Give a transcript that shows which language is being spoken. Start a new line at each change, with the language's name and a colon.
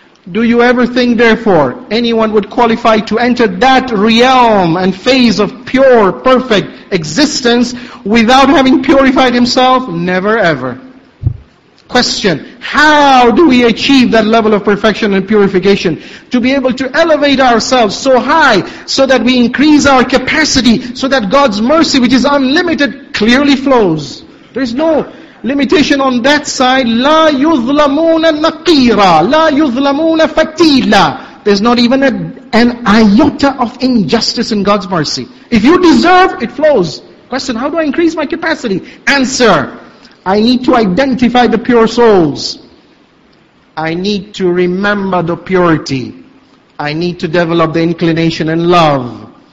English: Do you ever think, therefore, anyone would qualify to enter that realm and phase of pure, perfect existence without having purified himself? Never ever. question. How do we achieve that level of perfection and purification? To be able to elevate ourselves so high, so that we increase our capacity, so that God's mercy, which is unlimited, clearly flows. There's no limitation on that side.
Arabic: لا يظلمون النقيرة لا يظلمون فتيلة.
English: There's not even an iota of injustice in God's mercy. If you deserve, it flows. Question, how do I increase my capacity? Answer, I need to identify the pure souls. I need to remember the purity. I need to develop the inclination and love.